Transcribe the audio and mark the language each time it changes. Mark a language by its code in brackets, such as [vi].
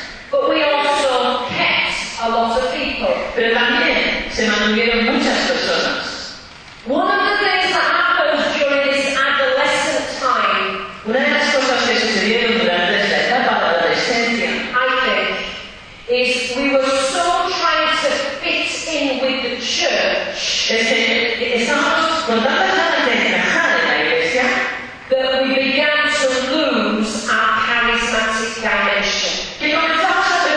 [en] But we also kept a lot of people. [es] Pero también se mantuvieron muchas personas. [en] One of the things that happens during this adolescent time, [es] una de las cosas que sucedieron durante esta etapa de adolescencia, [en] I think, is we were so trying to fit in with the church. [es] Es que estamos con tantas ganas de encajar en la iglesia [en] that we began to lose our charismatic dimension.